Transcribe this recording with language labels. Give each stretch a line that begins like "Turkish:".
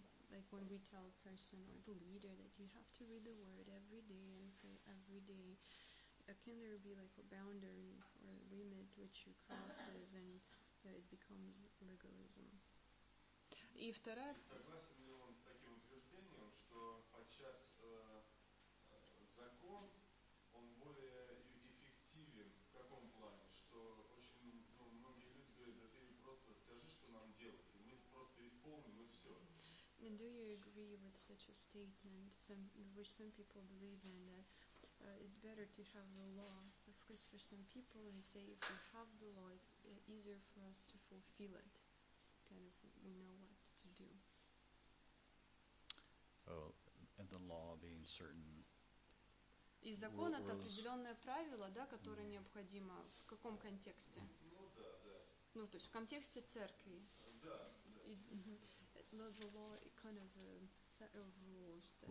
English: Like when we tell a person or the leader that you have to read the word every day and pray every day, can there be like a boundary or a limit which you cross and that it becomes legalism.
Russian: И вторая. Согласен ли он с таким утверждением, что подчас закон он более эффективен в каком плане? Что очень многие люди говорят, да ты просто скажи, что нам делать, и мы просто исполним и все.
English: And do you agree with such a statement, which some people believe in that? It's better to have the law. Of course, for some people, they say if we have the law, it's easier for us to fulfill it. Kind of, we know what to do. Oh, and the law being certain.
Russian: И закон это определенное правило, да, которое необходимо. В каком контексте? Ну да. Ну то есть в контексте церкви. Да.
English: The law, kind of a set of rules that